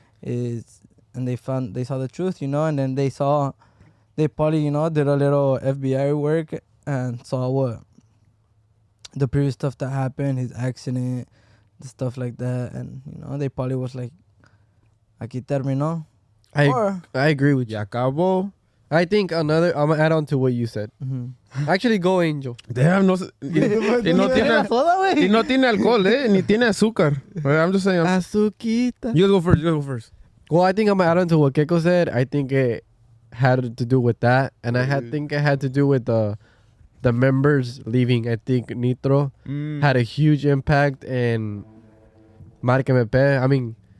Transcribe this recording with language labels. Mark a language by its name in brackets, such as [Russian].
[English] And they saw the truth, you know? And then they probably, you know, did a little FBI work and saw what? The previous stuff that happened, his accident, the stuff like that, and you know, they probably was like, [Spanish] "Aquí terminó." [English] I agree with you. [Spanish] Acabó. [English] I think another. I'm gonna add on to what you said. Mm-hmm. Actually, go, Angel. Damn, no. [Spanish] y no tiene alcohol, ni tiene azúcar. [English] I'm just saying. [Spanish] Azuquita. [English] You go first. Well, I think I'm gonna add on to what Keiko said. I think it had to do with that, and I think it had to do with the members leaving. I think Nitro had a huge impact, and Marca MP, I mean.